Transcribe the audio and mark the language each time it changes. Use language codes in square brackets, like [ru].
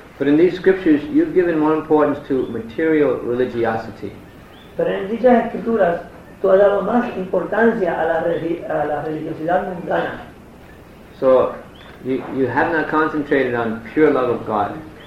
[en] But in these scriptures, you've given more importance to material religiosity. [es] Pero en dichas escrituras, tú has dado más importancia a la religiosidad mundana. [en] So, you have not concentrated on pure love of God.